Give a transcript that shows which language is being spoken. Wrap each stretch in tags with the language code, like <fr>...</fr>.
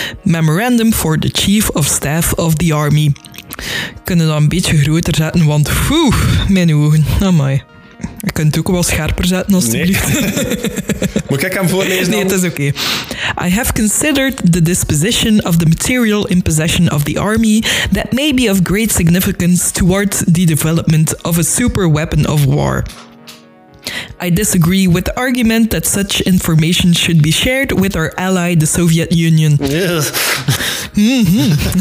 <en>Memorandum for the Chief of Staff of the Army.</en> <nl>Kunnen dat een beetje groter zetten, want poeh, mijn ogen. Amai. Je kunt het ook wel scherper zetten, alstublieft. Nee. Moet ik hem voorlezen? Nee, het is oké.</nl> <en>I have considered the disposition of the material in possession of the army that may be of great significance towards the development of a super weapon of war. I disagree with the argument that such information should be shared with our ally, the Soviet Union. Yes.</en>